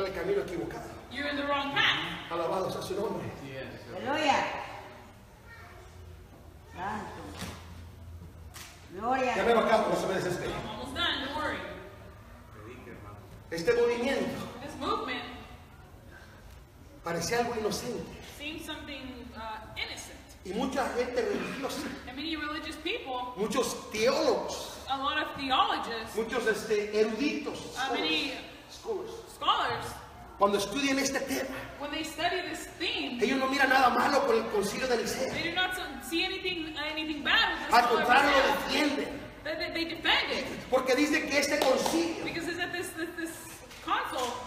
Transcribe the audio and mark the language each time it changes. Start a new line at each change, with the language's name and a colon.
Spanish: en el camino equivocado.
English: You're in the wrong path.
Spanish: Alabado sea su nombre. Aleluya. Santo. Gloria. Ya veo acá cómo se ve este.
English: I'm almost done, don't worry.
Spanish: Este movimiento.
English: This movement.
Spanish: Parecía algo inocente.
English: Seemed something innocent.
Spanish: Y mucha gente religiosa.
English: And many religious people.
Spanish: Muchos teólogos.
English: A lot of theologists.
Spanish: Muchos eruditos.
English: Many scholars.
Spanish: Cuando estudian este tema,
English: when they study this theme,
Spanish: ellos no miran nada malo con el Concilio de Nicea.
English: They do not see anything bad with this.
Spanish: Al contrario, lo defienden.
English: They defend it.
Spanish: Porque dice que este concilio,
English: because it's that this council,